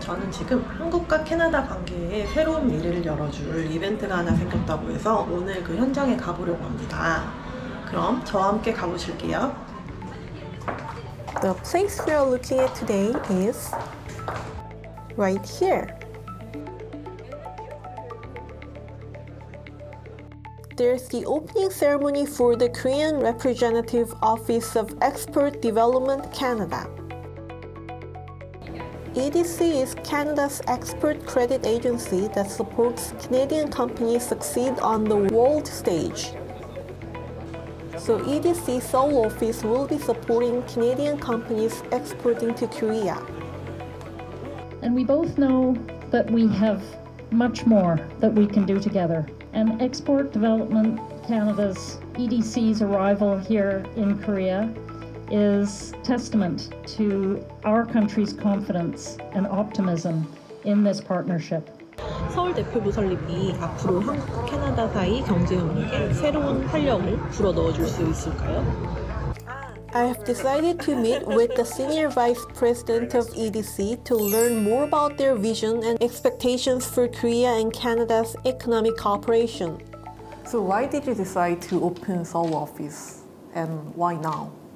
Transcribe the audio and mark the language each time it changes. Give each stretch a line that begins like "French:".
Korean: 저는 지금 한국과 캐나다 관계에 새로운 미래를 열어줄 이벤트가 하나 생겼다고 해서 오늘 그 현장에 가보려고 합니다. 그럼 저와 함께 가보실게요.
English: The place we are looking at today is right here. There's the opening ceremony for the Korean Representative Office of Export Development Canada. EDC is Canada's export credit agency that supports Canadian companies succeed on the world stage. So EDC Seoul office will be supporting Canadian companies exporting to Korea. And we both know that we have much more that we can do together. And Export Development Canada's EDC's arrival here in Korea is testament to our country's confidence and optimism in this partnership.
Korean: 서울 대표부 설립이 앞으로 한국과 캐나다 사이 경제 협력에 새로운 활력을 불어넣어줄 수 있을까요?
English: I have decided to meet with the Senior Vice President of EDC to learn more about their vision and expectations for Korea and Canada's economic cooperation. So why did you decide to open Seoul office and why now?